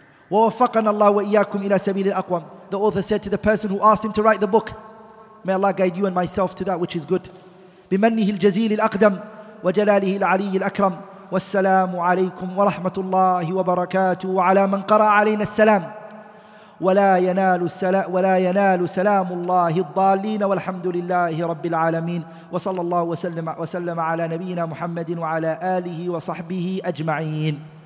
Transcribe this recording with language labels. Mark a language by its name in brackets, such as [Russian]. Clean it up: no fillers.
[Arabic] ووفقنا الله وإياكم إلى سبيل الأقوم. [English] The author said to the person who asked him to write the book, may Allah guide you and myself to that which is good. [Arabic] بمنه الجزيل الأقدم وجلاله العلي الأكرم. والسلام عليكم ورحمة الله وبركاته وعلى من قرأ علينا السلام ولا ينال السلام ولا ينال سلام الله الضالين والحمد لله رب العالمين وصلى الله وسلم وسلم على نبينا محمد وعلى آله وصحبه أجمعين.